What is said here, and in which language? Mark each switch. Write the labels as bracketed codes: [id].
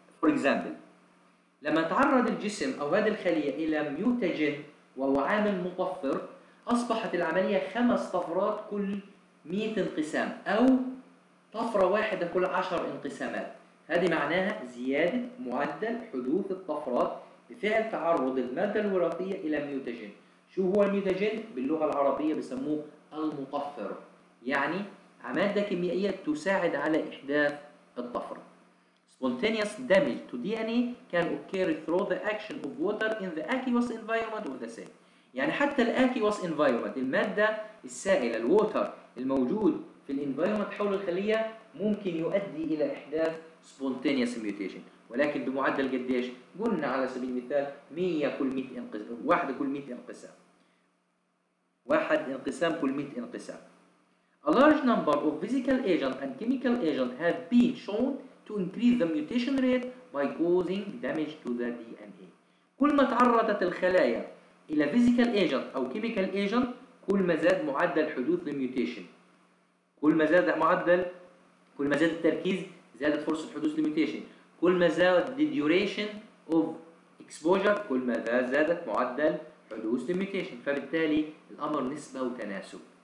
[en] For example [ar] لما تعرض الجسم أو هذه الخلية إلى ميوتاجين وهو عامل مطفر أصبحت العملية خمس طفرات كل 100 انقسام أو طفرة واحدة كل 10 انقسامات، هذه معناها زيادة معدل حدوث الطفرات بفعل تعرض المادة الوراثية إلى ميوتاجين. شو هو الميوتاجين؟ باللغة العربية بسموه المطفر، يعني مادة كيميائية تساعد على إحداث الطفرة. [en] Spontaneous damage to DNA can occur through the action of water in the aqueous environment of the cell. [ar] يعني حتى الـ aqueous environment المادة السائلة الـ water الموجود في الـ environment حول الخلية ممكن يؤدي إلى إحداث spontaneous mutation، ولكن بمعدل قديش؟ قلنا على سبيل المثال 100 كل 100 انقسام، واحد كل 100 انقسام، واحد انقسام كل 100 انقسام. [en] A large number of physical agents and chemical agents have been shown to increase the mutation rate by causing damage to the DNA. [ar] كل ما تعرضت الخلايا إلى physical agent أو chemical agent كل ما زاد معدل حدوث الميوتيشن، كل ما زاد معدل، كل ما زاد التركيز زادت فرصة حدوث الميوتيشن، كل ما زاد [en] the duration of exposure [ar] كل ما زادت معدل حدوث الميوتيشن، فبالتالي الأمر نسبة وتناسب.